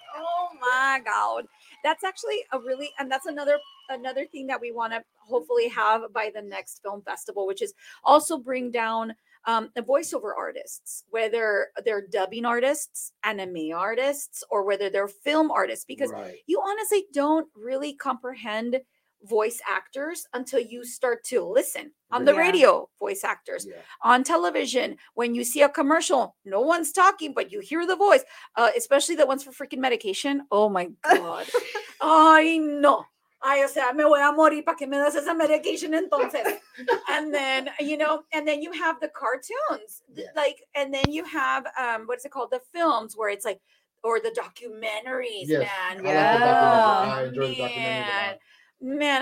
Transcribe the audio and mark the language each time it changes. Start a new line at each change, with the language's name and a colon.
English: Oh my God. That's actually another thing that we want to hopefully have by the next film festival, which is also bring down the voiceover artists, whether they're dubbing artists, anime artists, or whether they're film artists, because you honestly don't really comprehend voice actors until you start to listen on the radio, voice actors on television. When you see a commercial, no one's talking, but you hear the voice, especially the ones for freaking medication. Oh my God. I know.
Spanish: Ay, o sea, me voy a morir para que me das esa medication entonces.
English: And then, and then you have the cartoons. Yeah. Like, and then you have, what's it called? The films where it's like, or the documentaries, man. Yeah. I enjoy the documentaries.